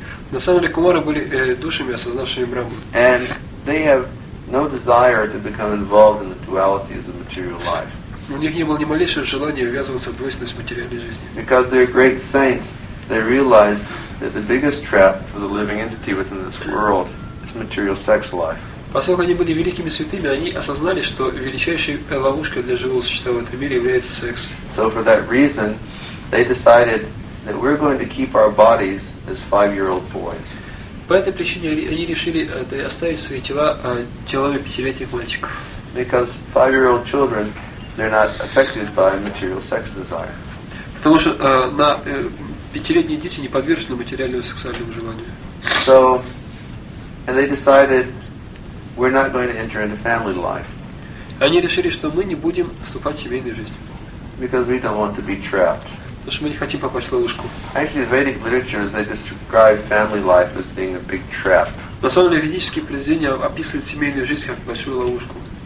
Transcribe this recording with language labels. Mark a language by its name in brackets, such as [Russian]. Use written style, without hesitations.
[Russian] На самом деле кумары были душами, осознавшими Брахму. [English] And they have no desire to become involved in the dualities of material life. [Russian] У них не было ни малейшего желания ввязываться в двойственность материальной жизни. [English] Because they're great saints, they realized that the biggest trap for the living entity within this world is material sex life. [Russian] Поскольку они были великими святыми, они осознали, что величайшей ловушкой для живого существа в этом мире является секс. [English] So for that reason, they decided that we're going to keep our bodies as 5-year-old boys. [Russian] По этой причине они решили оставить свои тела телами 5-летних мальчиков. [English] Because 5-year-old children, they're not affected by material sex desire. [Russian] Потому что на 5-летние дети не подвержены материальному сексуальному желанию. [English] So, and they decided we're not going to enter into family life. [Russian] Они решили, что мы не будем вступать в семейную жизнь. [English] Because we don't want to be trapped. [Russian] Потому что мы не хотим попасть в ловушку. [English] Actually, Vedic literature, they describe family life as being a big trap. [Russian] На самом деле, ведические произведения описывают семейную жизнь как большую ловушку.